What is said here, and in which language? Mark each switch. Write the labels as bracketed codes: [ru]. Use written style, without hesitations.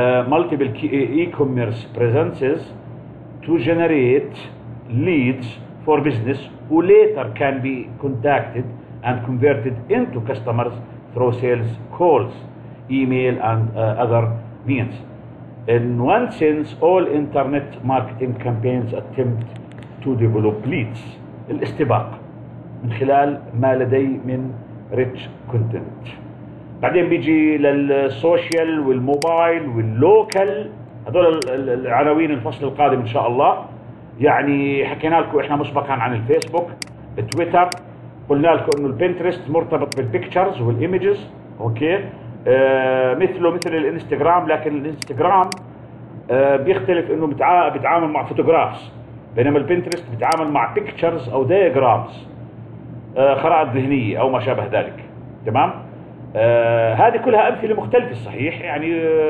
[en] Multiple e-commerce presences to generate leads for business who later can be contacted and converted into customers through sales calls, email and other means. In one sense, all internet marketing campaigns attempt to develop leads. [ar] الاستباق من خلال ما لدي من rich content. بعدين بيجي للسوشيال والموبايل واللوكال هذول العناوين الفصل القادم إن شاء الله. يعني حكينا لكم احنا مسبقا عن الفيسبوك التويتر قلنا لكم انه البنترست مرتبط بالبيكتشرز والايمجز اوكي مثله مثل الانستغرام لكن الانستغرام بيختلف انه بتعامل مع فوتوغرافز بينما البنترست بتعامل مع بيكتشرز او دياجرامز خرائط ذهنيه او ما شابه ذلك تمام هذه كلها امثله مختلفه صحيح يعني